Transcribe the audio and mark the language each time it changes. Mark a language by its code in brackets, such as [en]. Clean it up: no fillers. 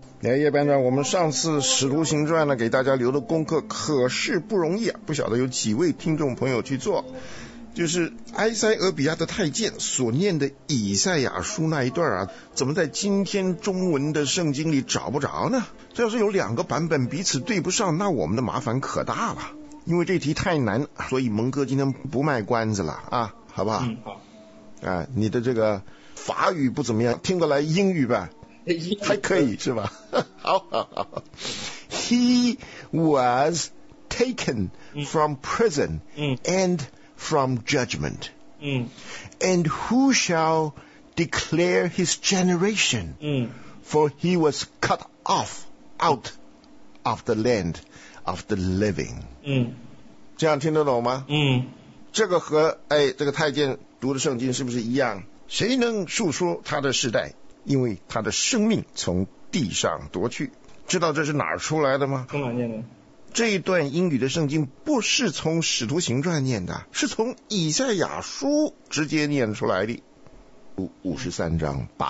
[zh] 叶班长，我们上次《使徒行传》呢，给大家留的功课可是不容易啊，不晓得有几位听众朋友去做，就是埃塞俄比亚的太监所念的以赛亚书那一段啊，怎么在今天中文的圣经里找不着呢？这要是有两个版本彼此对不上，那我们的麻烦可大了。因为这题太难，所以蒙哥今天不卖关子了啊，好不好？嗯，好。啊，你的这个法语不怎么样，听得来英语吧？还可以是吧？好好好。 [en] He was taken from prison and from judgment. And who shall declare his generation? For he was cut off out of the land of the living. [zh] 这样听得懂吗？这个和这个太监读的圣经是不是一样？谁能述说他的世代？因为他的生命从地上夺去。知道这是哪儿出来的吗？从哪念的？这一段英语的圣经不是从《使徒行传》念的，是从《以赛亚书》直接念出来的，53:8。